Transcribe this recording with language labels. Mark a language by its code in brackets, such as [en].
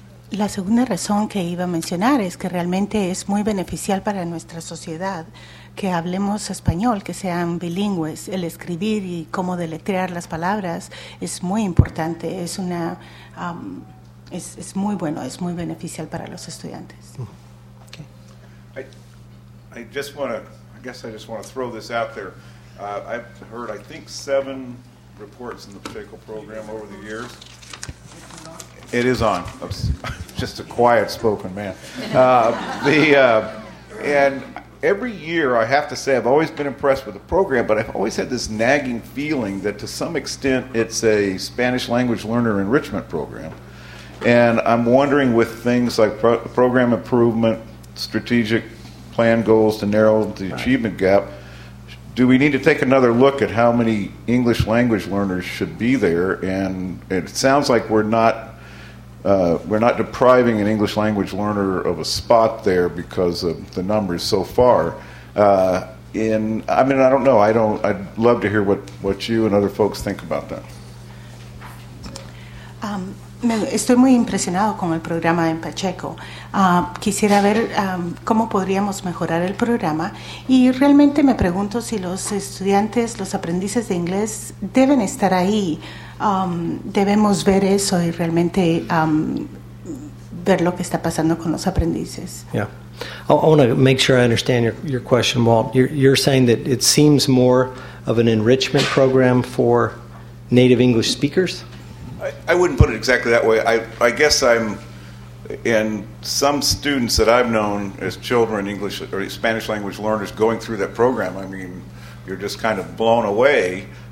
[es] La segunda razón que iba a mencionar es que realmente es muy beneficial para nuestra sociedad que hablemos español, que sean bilingües. El escribir y cómo deletrear las palabras es muy importante. Es una... Es muy bueno, es muy beneficial para los estudiantes. [en] Okay. I just want to throw this out there. I've heard, I think, 7 reports in the particular program over the years. It is on. I'm just a quiet spoken man. And every year, I have to say, I've always been impressed with the program, but I've always had this nagging feeling that to some extent it's a Spanish language learner enrichment program. And I'm wondering with things like program improvement, strategic plan goals to narrow the achievement gap, do we need to take another look at how many English language learners should be there? And it sounds like we're not depriving an English language learner of a spot there because of the numbers so far. I'd love to hear what you and other folks think about that. [es] Estoy muy impresionado con el programa en Pacheco. Quisiera ver cómo podríamos mejorar el programa. Y realmente me pregunto si los estudiantes, los aprendices de inglés, deben estar ahí. Debemos ver eso y realmente ver lo que está pasando con los aprendices. [en] Yeah. I want to make sure I understand your question, Walt. You're saying that it seems more of an enrichment program for native English speakers? I wouldn't put it exactly that way. I guess I'm, and some students that I've known as children, English or Spanish language learners going through that program, I mean, you're just kind of blown away.